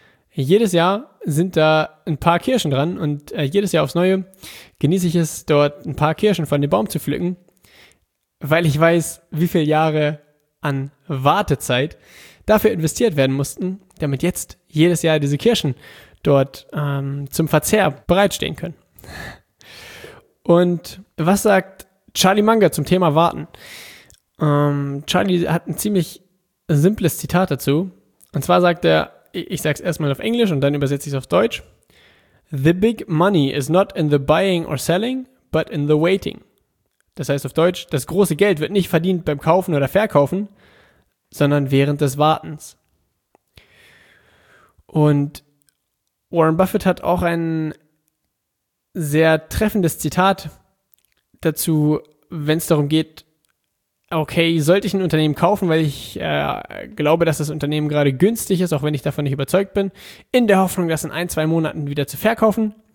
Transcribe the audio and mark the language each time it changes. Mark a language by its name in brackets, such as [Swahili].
[German] Jedes Jahr sind da ein paar Kirschen dran und jedes Jahr aufs Neue genieße ich es, dort ein paar Kirschen von dem Baum zu pflücken, weil ich weiß, wie viele Jahre an Wartezeit dafür investiert werden mussten, damit jetzt jedes Jahr diese Kirschen dort zum Verzehr bereitstehen können. Und was sagt Charlie Munger zum Thema Warten? Charlie hat ein ziemlich simples Zitat dazu. Und zwar sagt er, ich sag's erstmal auf Englisch und dann übersetze ich es auf Deutsch. [English] The big money is not in the buying or selling, but in the waiting. [German] Das heißt auf Deutsch, das große Geld wird nicht verdient beim Kaufen oder Verkaufen, sondern während des Wartens. Und Warren Buffett hat auch ein sehr treffendes Zitat dazu, wenn es darum geht, okay, sollte ich ein Unternehmen kaufen, weil ich glaube, dass das Unternehmen gerade günstig ist, auch wenn ich davon nicht überzeugt bin, in der Hoffnung, das in 1-2 Monaten wieder zu verkaufen.